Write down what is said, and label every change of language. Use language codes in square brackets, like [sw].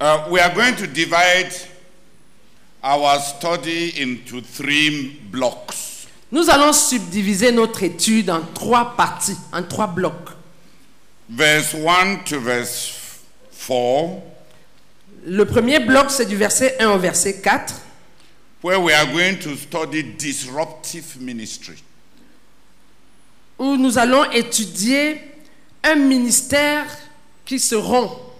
[en] We are going to divide our study into three blocks. [fr] Nous allons subdiviser notre étude en trois parties, en trois blocs. [en] Verse 1 to verse 4. [fr] Le premier bloc, c'est du verset 1 au verset 4. [en] Where we are going to study disruptive ministry. [fr] Où nous allons étudier un ministère qui se rompt.